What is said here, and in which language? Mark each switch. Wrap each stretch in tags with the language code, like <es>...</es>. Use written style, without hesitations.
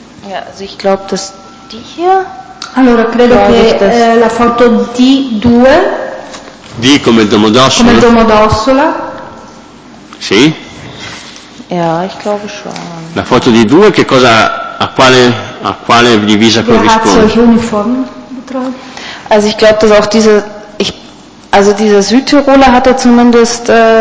<de>Ja, also ich glaube, dass die hier.</de> <it>Allora, credo che la foto D2. D come Domodossola. Come Domodossola. Sì.</it> <de>Ja, ich glaube schon.</de> <it>La foto di due, che cosa, a quale divisa corrisponde? Grazie, uniform.</it> <de>Also ich glaube, dass auch dieser Südtiroler hatte zumindest</de>